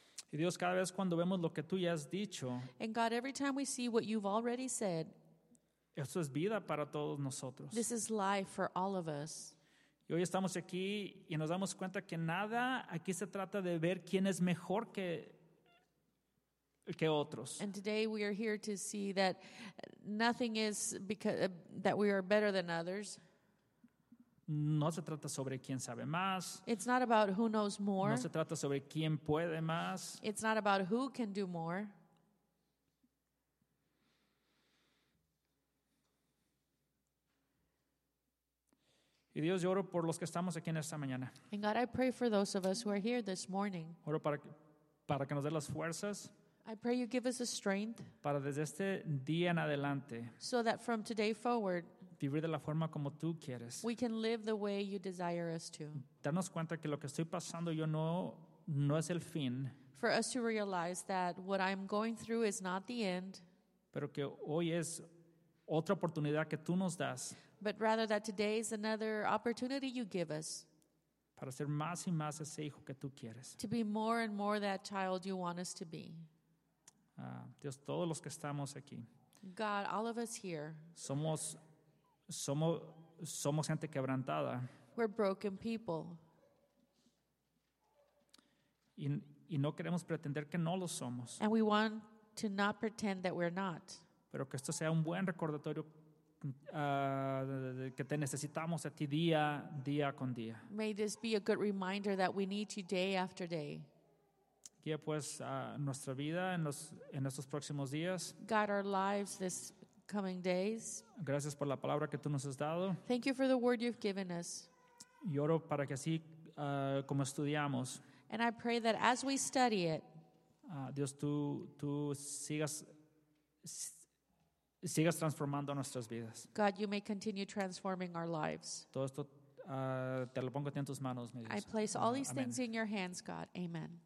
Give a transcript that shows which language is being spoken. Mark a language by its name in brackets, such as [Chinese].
[Spanish] Y Dios, cada vez cuando vemos lo que tú ya has dicho. [English] And God, every time we see what you've already said. [Spanish] Esto es vida para todos nosotros. [English] This is life for all of us. [Spanish] Y hoy estamos aquí y nos damos cuenta que nada aquí se trata de ver quién es mejor que otros. [English] And today we are here to see that nothing is because that we are better than others. [Spanish] No se trata sobre quién sabe más. [English] It's not about who knows more. [Spanish] No se trata sobre quién puede más. [English] It's not about who can do more. [Spanish] Y Dios, yo oro por los que estamos aquí en esta mañana. [English] And God, I pray for those of us who are here this morning. [Spanish] Oro para que nos dé las fuerzas. [English] I pray you give us the strength. [Spanish] Para desde este día en adelante. [English] So that from today forward. [Spanish] Vivir de la forma como tú quieres. [English] We can live the way you desire us to. [Spanish] Darnos cuenta que lo que estoy pasando yo no es el fin. [English] For us to realize that what I'm going through is not the end. [Spanish] Pero que hoy es otra oportunidad que tú nos das. [English] But rather that today is another opportunity you give us. [Spanish] Para ser más y más ese hijo que tú quieres. [English] To be more and more that child you want us to be. [Spanish] Dios, todos los que estamos aquí. [English] God, all of us here. [Spanish] Somos gente quebrantada. [English] We're broken people. [Spanish] Y no queremos pretender que no lo somos. [English] And we want to not pretend that we're not. [Spanish] Pero que esto sea un buen recordatorio que te necesitamos a ti día con día. [English] May this be a good reminder that we need you day after day. [Spanish] Guía pues nuestra vida en estos próximos días. [English] Guide our lives this coming days. [Spanish] Gracias por la palabra que tú nos has dado. [English] Thank you for the word you've given us. [Spanish] Y oro para que así como estudiamos. [English] And I pray that as we study it. [Spanish] Dios, tú sigas transformando nuestras vidas. [English] God, you may continue transforming our lives. [Spanish] Todo esto te lo pongo en tus manos, mi Dios. [English] I place all these things in your hands, God. Amen.